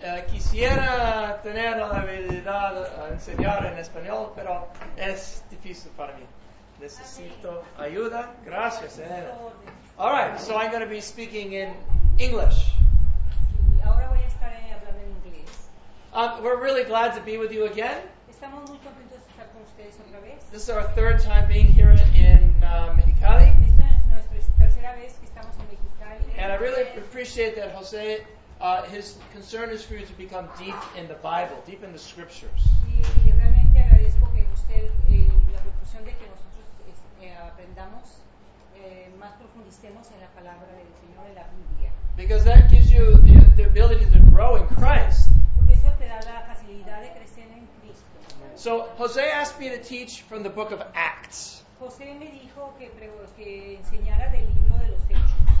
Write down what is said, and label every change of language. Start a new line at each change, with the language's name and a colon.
Spanish: Quisiera tener la habilidad de enseñar en español, pero es difícil para mí. Necesito ayuda. Gracias.
English: All right, so I'm going to be speaking in English.
Spanish: Sí, ahora voy a estar hablando en inglés.
English: We're really glad to be with you again.
Spanish: Estamos muy contentos de estar con ustedes otra vez.
English: This is our third time being here in Mexicali.
Spanish: Esta es nuestra tercera vez que estamos en Mexicali.
English: And I really appreciate that Jose, his concern is for you to become deep in the Bible, deep in the scriptures.
Spanish: Y realmente agradezco que usted la preocupación de que nosotros aprendamos más profundicemos en la palabra del Señor en la Biblia.
English: Because that gives you the ability to grow in Christ.
Spanish: Porque eso te da la facilidad de crecer en Cristo.
English: So Jose asked me to teach from the book of Acts.
Spanish: Jose me dijo que enseñara del libro de los Hechos.